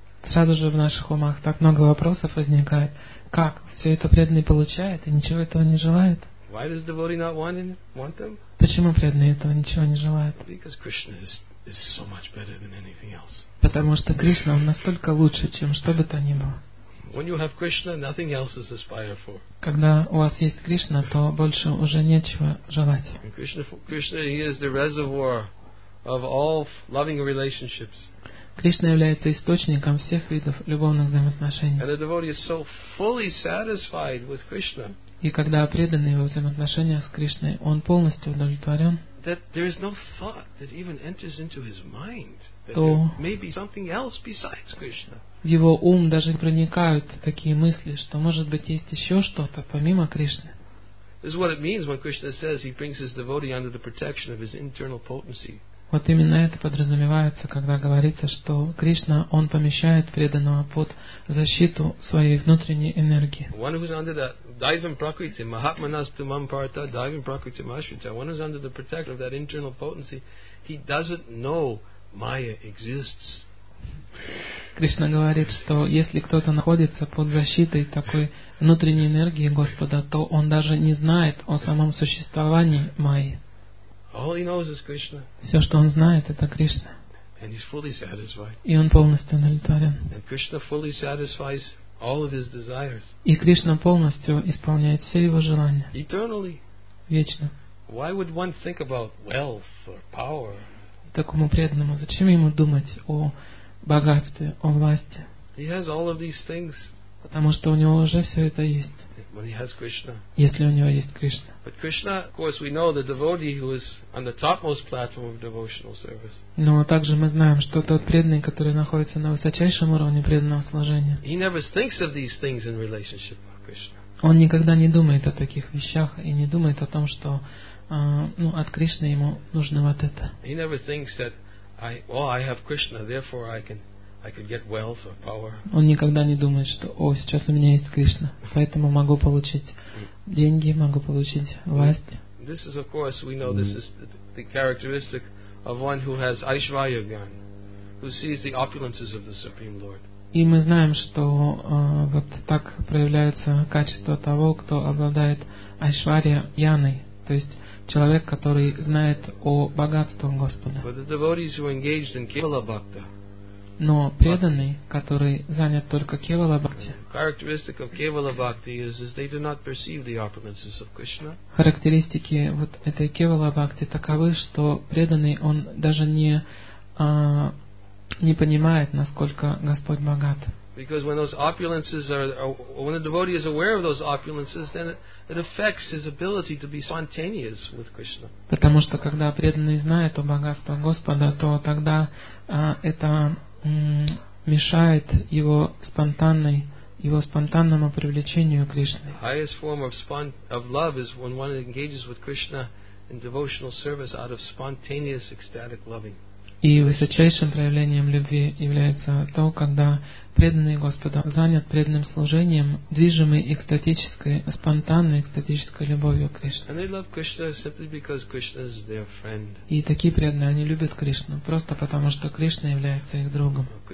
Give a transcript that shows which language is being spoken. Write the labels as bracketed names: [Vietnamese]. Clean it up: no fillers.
[Russian] Сразу же в наших умах так много вопросов возникает. Как? Все это преданный получает и ничего этого не желает? [English] Why does devotee not want them? [Russian] Почему преданный этого ничего не желает? [English] Because Krishna is so much better than anything else. [Russian] Потому что Кришна, он настолько лучше, чем что бы то ни было. [English] When you have Krishna, nothing else is aspired for. [Russian] Когда у вас есть Кришна, то больше уже нечего желать. [English] Krishna, he is the reservoir of all loving relationships. [Russian] Кришна является источником всех видов любовных взаимоотношений. [English] And the devotee is so fully satisfied with Krishna, [Russian] и когда преданный во взаимоотношениях с Кришной, он полностью удовлетворен, [English] that there is no thought that even enters into his mind that there may be something else besides Krishna. [Russian] В его ум даже проникают такие мысли, что может быть есть еще что-то помимо Кришны. [English] This is what it means when Krishna says he brings his devotee under the protection of his internal potency. [Russian] Вот именно это подразумевается, когда говорится, что Кришна, Он помещает преданного под защиту своей внутренней энергии. [English] One who's under the [Sanskrit] Daivam Prakriti, Mahatmanastu Mamparta, Daivam Prakriti Mashrita, [English] one who's under the protection of that internal potency, he doesn't know Maya exists. [Russian] Кришна говорит, что если кто-то находится под защитой такой внутренней энергии Господа, то он даже не знает о самом существовании Майи. [English] All he knows is Krishna. [Russian] Все, что он знает, это Кришна. [English] And he's fully satisfied. [Russian] И он полностью удовлетворен. [English] And Krishna fully satisfies all of his desires. [Russian] И Кришна полностью исполняет все его желания. [English] Eternally. [Russian] Вечно. [English] Why would one think about wealth or power? [Russian] Такому преданному, зачем ему думать о богатстве, о власти? [English] He has all of these things. [Russian] Потому что у него уже все это есть. [English] When he has Krishna. [Russian] Если у него есть Кришна. [English] But Krishna, of course, we know the devotee who is on the topmost platform of devotional service. [Russian] Но также мы знаем, что тот преданный, который находится на высочайшем уровне преданного служения. [English] He never thinks of these things in relationship with Krishna. [Russian] Он никогда не думает о таких вещах и не думает о том, что от Кришны ему нужно вот это. [English] He never thinks that I have Krishna, therefore I can get wealth or power. [Russian] Он никогда не думает, что сейчас у меня есть Кришна, поэтому могу получить деньги, могу получить власть. [English] This is, of course, we know this is the characteristic of one who has Aishvarya Gyan, who sees the opulences of the Supreme Lord. [Russian] И мы знаем, что вот так проявляется качество того, кто обладает Айшварья Яной, то есть человек, который знает о богатстве Господа. [English] But the devotees who are engaged in Kevala Bhakta. [Russian] Но преданный, который занят только Кевала Бхакти. [English] Characteristic of Kevala Bhakti is they do not perceive the opulences of Krishna. [Russian] Характеристики вот этой Кевала Бхакти таковы, что преданный он даже не понимает, насколько Господь богат. [English] Because when those opulences are, when a devotee is aware of those opulences, then it affects his ability to be spontaneous with Krishna. [Russian] Потому что когда преданный знает о богатстве Господа, то тогда это мешает его спонтанному привлечению к Кришне. [English] The highest form of love is when one engages with Krishna in devotional service out of spontaneous ecstatic loving. [Russian] И высочайшим проявлением любви является то, когда преданный Господа занят преданным служением, движимый экстатической, спонтанной экстатической любовью к Кришне. И такие преданные, они любят Кришну просто потому, что Кришна является их другом.